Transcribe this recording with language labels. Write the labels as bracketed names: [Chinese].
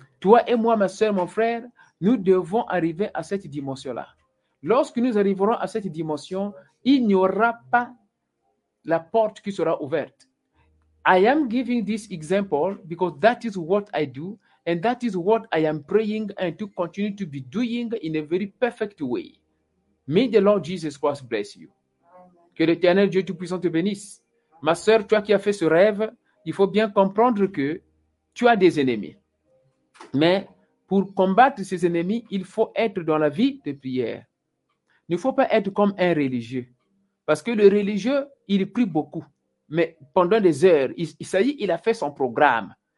[French] Toi et moi, ma soeur, mon frère, nous devons arriver à cette dimension-là. Lorsque nous arriverons à cette dimension, il n'y aura pas la porte qui sera ouverte. [English] I am giving this example because that is what I do and that is what I am praying and to continue to be doing in a very perfect way. May the Lord Jesus Christ bless you. Amen. [French] Que l'Éternel Dieu Tout-Puissant te bénisse. Ma sœur, toi qui as fait ce rêve, il faut bien comprendre que tu as des ennemis. Mais pour combattre ces ennemis, il faut être dans la vie de prière. Il ne faut pas être comme un religieux. Parce que le religieux, il prie beaucoup, mais pendant des heures, il a fait son programme.